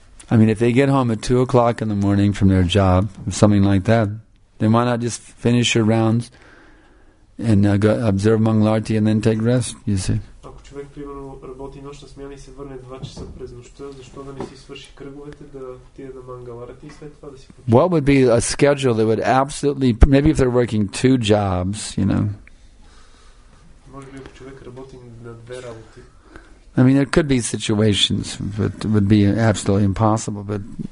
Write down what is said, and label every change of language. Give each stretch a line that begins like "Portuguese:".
English: I mean, if they get home at 2 o'clock in the morning from their job, something like that, then why not just finish your rounds and go observe Mangalarti and then take rest, you see?
Bulgarian: Човек, примерно, работи нощна смяна и се върне 2 часа през нощта, защо да не си свърши кръговете, да отиде на Мангаларати и след това да си почине.
English: What would be a schedule that would absolutely, maybe if they're working two jobs, you know.
Bulgarian: Може би, ако човек работи на две работи.
English: I mean, there could be situations, but it would be absolutely impossible, but...